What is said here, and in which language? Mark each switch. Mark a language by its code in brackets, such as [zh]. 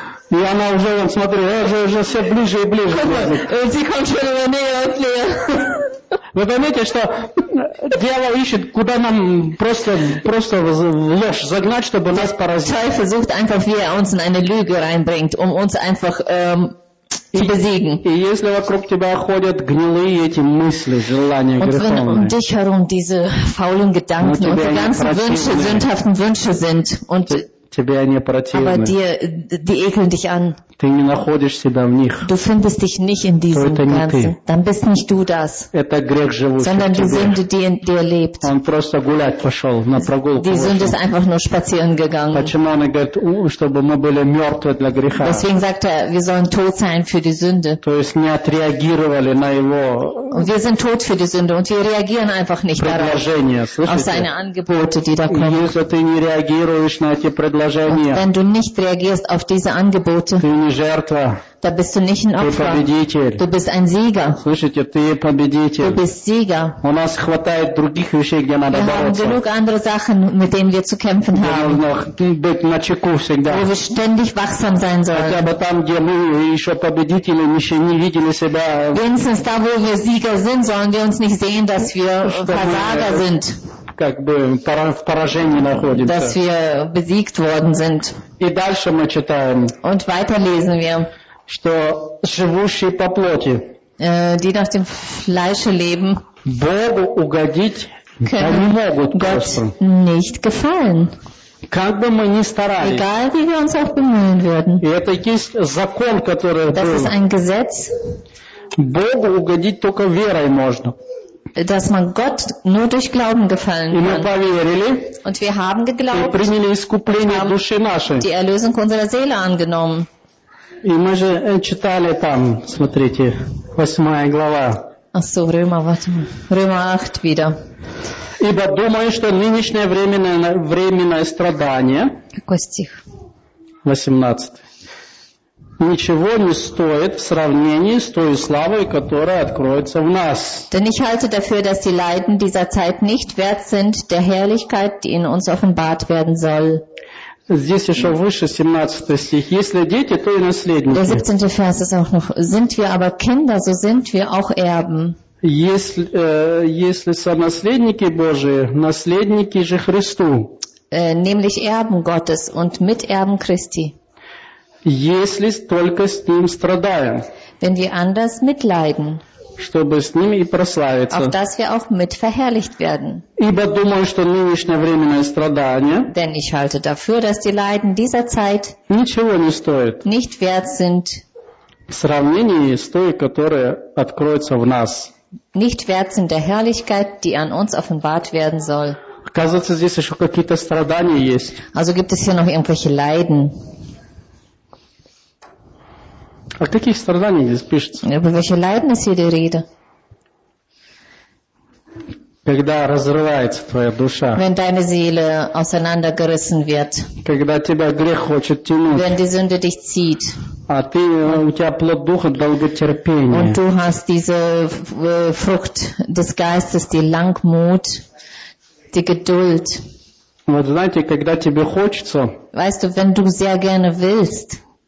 [ru] И она уже, вон, смотри, уже все ближе и ближе. [de] Sie kommt schon immer näher und näher. [ru] Вы понимаете, что дьявол ищет, куда нам просто ложь загнать, чтобы нас поразить. [de] Teufel versucht einfach, wie uns in eine Lüge reinbringt, uns einfach zu besiegen. [ru] И если вокруг тебя ходят гнилые эти мысли, желания греховные. [de] Und wenn dich herum diese faulen Gedanken und die ganzen Wünsche, sündhaften Wünsche sind und [ru] тебе они противны. [de] Aber die ekeln dich an. [ru] Ты не находишь себя в них. [de] Du findest dich nicht in diesem [ru] это [de] Ganzen. [ru] Не ты. [de] Dann bist nicht du das. [ru] Это грех живущий [de] sondern [ru] в тебе. [de] Sünde, die er lebt. [ru] Он просто гулять пошел, на прогулку. [de] Die Sünde ist einfach nur spazieren gegangen. [ru] Почему он говорит, чтобы мы были мертвы для греха? [de] Deswegen sagt er, wir sollen tot sein für die Sünde. [ru] То есть не отреагировали на его [de] und wir sind tot für die Sünde und wir reagieren einfach nicht darauf. Auf seine Angebote, die da kommen. [ru] Если ты не реагируешь на эти предложения, [de] und wenn du nicht reagierst auf diese Angebote, da bist du nicht ein Opfer. Du bist ein Sieger. Du bist Sieger. Wir haben genug andere Sachen, mit denen wir zu kämpfen haben. Wo wir ständig wachsam sein sollen. Wenigstens da, wo wir Sieger sind, sollen wir uns nicht sehen, dass wir Versager sind. [ru] Как бы в поражении находимся. [de] Dass wir besiegt worden sind. [ru] И дальше мы читаем. [de] Und weiter lesen wir. [ru] Что живущие по плоти. [de] Die nach dem Fleische leben. [ru] Богу угодить не могут просто. [de] Nicht gefallen. [ru] Как бы мы ни старались. [de] Egal wie wir uns auch bemühen würden. [ru] И это есть закон, который [de] das [ru] был. [de] Ist ein Gesetz. [ru] Богу угодить только верой можно. [de] Dass man Gott nur durch Glauben gefallen kann. Und wir haben geglaubt und haben die Erlösung unserer Seele angenommen. Ach so, Römer, warte mal. Römer 8 wieder. [ru] Ибо думаю, что нынешнее временное страдание. Какой стих? 18. Ничего не стоит в сравнении с той славой, которая откроется в нас. [de] Denn ich halte dafür, dass die Leiden dieser Zeit nicht wert sind der Herrlichkeit, die in uns offenbart werden soll. [ru] Здесь еще выше 17 стих. Если дети, то и наследники. [de] Der 17. Vers ist auch noch. Sind wir aber Kinder, so sind wir auch Erben. [ru] Если сонаследники Божии, наследники же Христу. [de] Nämlich Erben Gottes und Miterben Christi. [ru] Если только с ним страдаем, [de] wenn wir anders mitleiden, [ru] чтобы с ним и прославиться, [de] auf dass wir auch mit verherrlicht werden. [ru] Ибо думаю, что нынешнее временное страдание, [de] denn ich halte dafür, dass die Leiden dieser Zeit [ru] ничего не стоит, [de] nicht wert sind, [ru] в сравнении с той, которая откроется в нас, [de] nicht wert sind der Herrlichkeit, die an uns offenbart werden soll. [ru] Оказывается, здесь еще какие-то страдания есть. [de] Also gibt es hier noch irgendwelche Leiden. [ru] О каких страданиях здесь пишется? [de] Über welche Leiden ist hier die Rede? [ru] Когда разрывается твоя душа. [de] Wenn deine Seele auseinandergerissen wird. [ru] Когда тебя грех хочет тянуть. [de] Wenn die Sünde dich zieht. [ru] А ты, у тебя плод духа долготерпения. [de] Und du hast diese Frucht des Geistes, die Langmut, die Geduld. [ru] Вот знаете, когда тебе хочется. [de] Weißt du, wenn du sehr gerne willst.